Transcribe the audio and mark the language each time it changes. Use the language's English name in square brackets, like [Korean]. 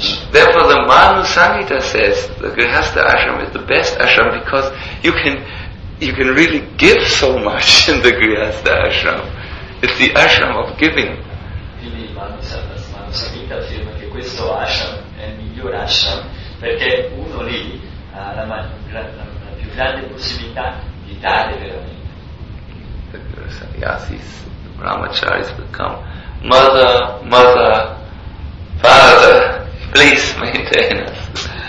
[English] therefore the Manu Sanghita says the Grihastha ashram is the best ashram because you can really give so much in the Grihastha ashram. It's the ashram of giving. [Italian] Quindi Manu Sanghita afferma che questo ashram è il miglior ashram perché uno lì ha la più grande possibilità di dare veramente. [English] Sannyasis, the brahmacharis become mother, father, please maintain us.